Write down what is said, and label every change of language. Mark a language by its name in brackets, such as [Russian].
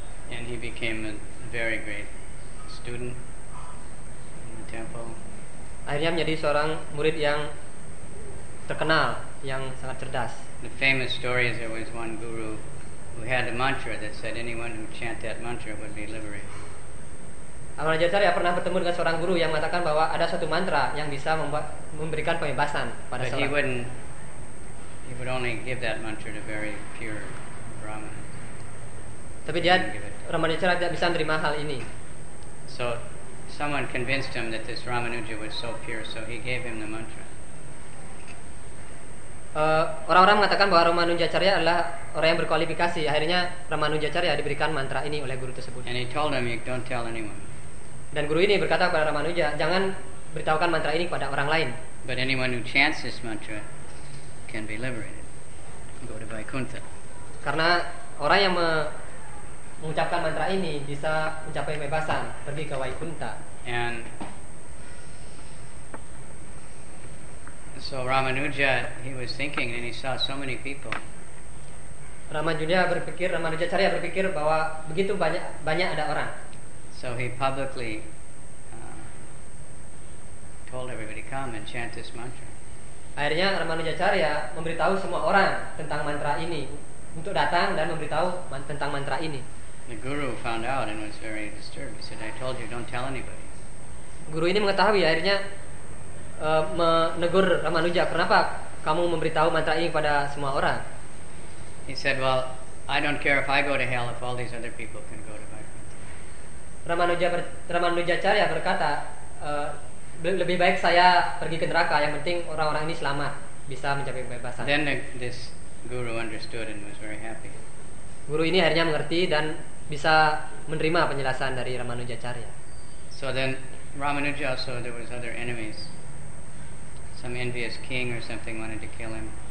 [English] And he became a very great student in the temple. [Indonesian] Akhirnya menjadi seorang murid yang terkenal, yang sangat cerdas. [English] The famous story is there was one guru who had a mantra that said anyone who chant that mantra would be liberated. [Indonesian] Ramanujacarya pernah bertemu dengan seorang guru yang mengatakan bahwa ada suatu mantra yang bisa memberikan pembebasan pada seorang. [English] But he would only give that mantra to very pure Brahmana. [Indonesian] Tapi dia, Ramanujacarya tidak bisa menerima hal ini. [English] So someone convinced him that this Ramanuja was so pure, so he gave him the mantra. [Indonesian] Orang-orang mengatakan bahwa Ramanujacarya adalah orang yang berkualifikasi. Akhirnya Ramanujacarya diberikan mantra ini oleh guru tersebut. [English] And he told him, you don't tell anyone. [Indonesian] Dan guru ini berkata kepada Ramanuja, jangan beritahukan mantra ini kepada orang lain. [English] But anyone who chants this mantra can be liberated. Go to Vaikuntha. [Indonesian] Karena orang yang mengucapkan mantra ini bisa mencapai kebebasan, pergi ke Vaikuntha. [English] And So Ramanuja, he was thinking, and he saw so many people. [Indonesian] Ramanuja berpikir bahwa begitu banyak ada orang. [English] So he publicly told everybody, "Come and chant this mantra." [Indonesian] Akhirnya Ramanujacarya memberitahu semua orang tentang mantra ini untuk datang dan memberitahu tentang mantra ini. [English] The guru found out and was very disturbed. He said, "I told you, don't tell anybody." [Indonesian] Guru ini mengetahui akhirnya menegur Ramanuja, "Kenapa kamu memberitahu mantra ini kepada semua orang?" [English] He said, "Well, I don't care if I go to hell if all these other people can go to Vaikuntha." [Indonesian] Ramanujacarya berkata, lebih baik saya pergi ke neraka, yang penting orang-orang ini selamat, bisa mencapai kebebasan. [English] Then this guru understood and was very happy. [Indonesian] Guru ini akhirnya mengerti dan bisa menerima penjelasan dari Ramanujacarya. [English] So then Ramanuja also, there was other enemies. Some envious king or something wanted to kill him.